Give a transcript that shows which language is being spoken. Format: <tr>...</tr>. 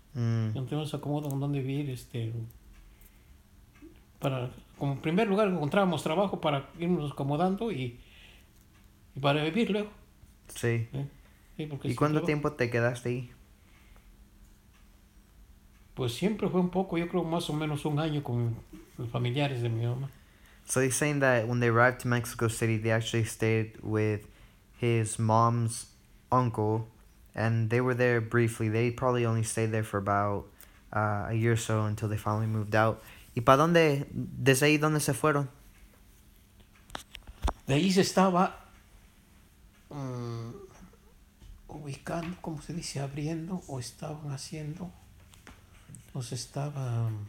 <es>Encontrábamos acomodo con dónde vivir, para, como en primer lugar, encontrábamos trabajo para irnos acomodando y para vivir luego. Sí. ¿Y cuánto tiempo te quedaste ahí? Pues siempre fue un poco, yo creo más o menos un año con los familiares de mi mamá.</es> <en>So he's saying that when they arrived to Mexico City, they actually stayed with his mom's uncle, and they were there briefly. They probably only stayed there for about a year or so until they finally moved out.</en> <es>¿Y para dónde, desde ahí dónde se fueron? De ahí se estaba ubicando, ¿cómo se dice? Abriendo o estaban haciendo... Nos estaba.</es>